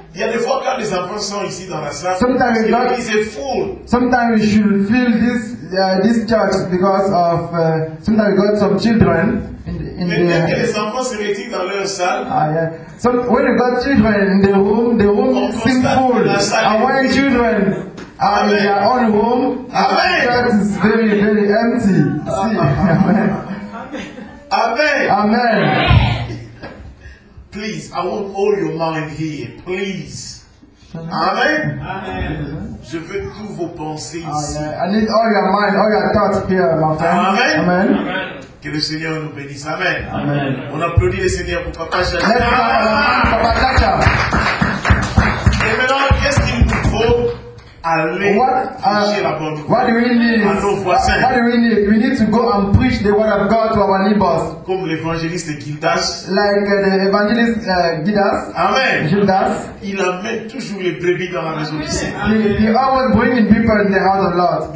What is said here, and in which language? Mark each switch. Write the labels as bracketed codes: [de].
[fr] Il y a des fois quand les enfants sont ici dans la salle. [en] Sometimes God is full. Sometimes we should fill this church because of sometimes we got some children. [fr] Mais bien que les enfants se mettent dans leur salle. [en] Ah, yeah. So, when you got children in the room, seems full. And when children are in their own room, amen. The church is very, very empty. Amen. Amen. Amen. Please, I want all your mind here. Please. Amen. Amen. [fr] Je veux toutes vos pensées ici. [en] I need all your mind, all your thoughts here, my friend. Amen. Amen. [fr] Amen. Que le Seigneur nous bénisse. Amen. [en] Amen. [fr] On applaudit le Seigneur pour Papa Chacha. Papa Chacha. Et maintenant, qu'est-ce qu'il nous faut? [en] What do we need? What do we need? We need to go and preach the word of God to our neighbors. [fr] Comme l'évangéliste Gildas. [en] Like the evangelist Gildas. Amen. Gildas. [fr] Il amène toujours les brebis dans la maison du Seigneur. [en] He always bringing people in the house of Lord.